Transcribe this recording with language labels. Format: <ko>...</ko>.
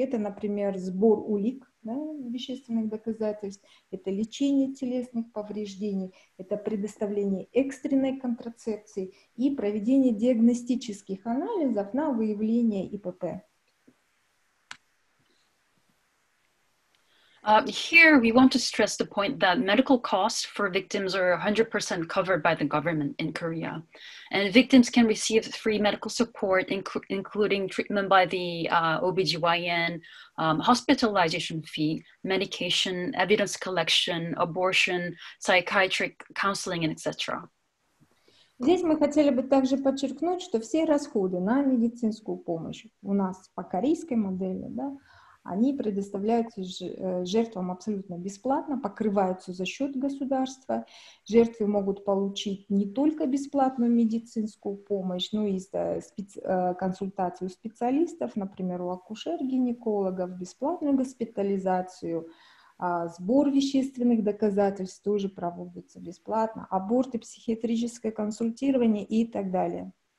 <ru>Это, например, сбор улик, да, вещественных доказательств, это лечение телесных повреждений, это предоставление экстренной контрацепции и проведение диагностических анализов на выявление ИПП.</ru> <en>Here, we want to stress the point that medical costs for victims are 100% covered by the government in Korea. And victims can receive free medical support, including treatment by the OBGYN, hospitalization fee, medication, evidence collection, abortion, psychiatric counseling, and etc.</en> <ru>Здесь мы хотели бы также подчеркнуть, что все расходы на медицинскую помощь у нас по корейской модели, да, они предоставляются жертвам абсолютно бесплатно, покрываются за счет государства. Жертвы могут получить не только бесплатную медицинскую помощь, но и консультацию специалистов, например, у акушер-гинекологов, бесплатную госпитализацию, сбор вещественных доказательств тоже проводится бесплатно, аборты, психиатрическое консультирование и так далее.</ru>